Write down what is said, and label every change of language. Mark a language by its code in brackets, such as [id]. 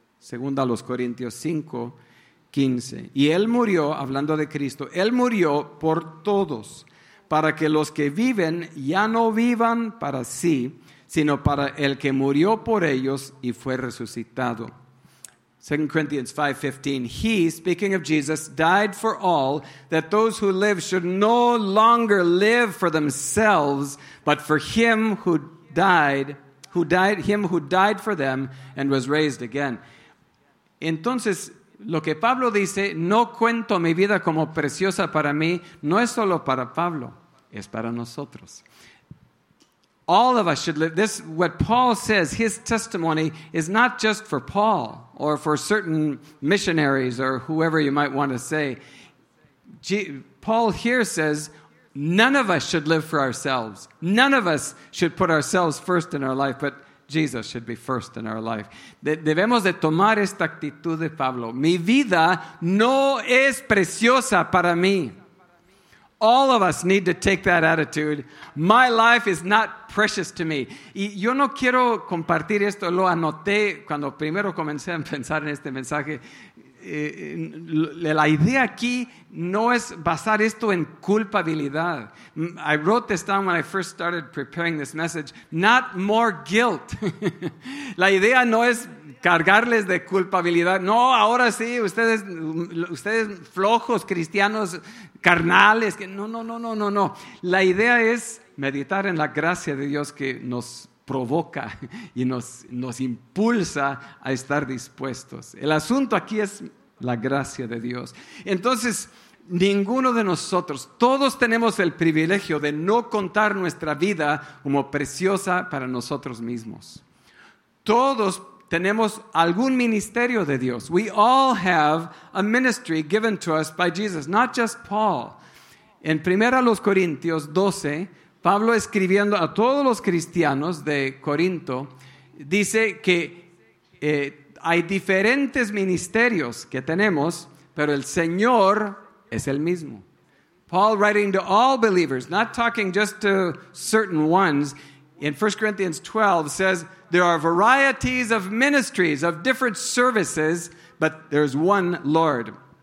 [es] Segunda a los Corintios 5:15. Y él murió, hablando de Cristo, él murió por todos, para que los que viven ya no vivan para sí, sino para el que murió por ellos y fue resucitado. [en] 2 Corinthians 5:15, he, speaking of Jesus, died for all, that those who live should no longer live for themselves, but for him who died for them and was raised again. [es] Entonces, lo que Pablo dice, no cuento mi vida como preciosa para mí, no es solo para Pablo, es para nosotros. [en] All of us should live. This, what Paul says, his testimony is not just for Paul or for certain missionaries or whoever you might want to say. Paul here says, none of us should live for ourselves. None of us should put ourselves first in our life, but Jesus should be first in our life. [es] Debemos de tomar esta actitud de Pablo. Mi vida no es preciosa para mí. [en] All of us need to take that attitude. My life is not precious to me. [es] Y yo no quiero compartir esto. Lo anoté cuando primero comencé a pensar en este mensaje. La idea aquí no es basar esto en culpabilidad. [en] I wrote this down when I first started preparing this message. Not more guilt. [es] La idea no es cargarles de culpabilidad. No, ahora sí, ustedes flojos cristianos carnales, que no. La idea es meditar en la gracia de Dios que nos provoca y nos impulsa a estar dispuestos. El asunto aquí es la gracia de Dios. Entonces, ninguno de nosotros, todos tenemos el privilegio de no contar nuestra vida como preciosa para nosotros mismos. Todos tenemos algún ministerio de Dios. [en] We all have a ministry given to us by Jesus, not just Paul. [es] En 1 Corintios 12, Pablo escribiendo a todos los cristianos de Corinto, dice que hay diferentes ministerios que tenemos, pero el Señor es el mismo. [en] Paul writing to all believers, not talking just to certain ones, in 1 Corinthians 12 says, there are varieties of ministries, of different services, but there's one Lord.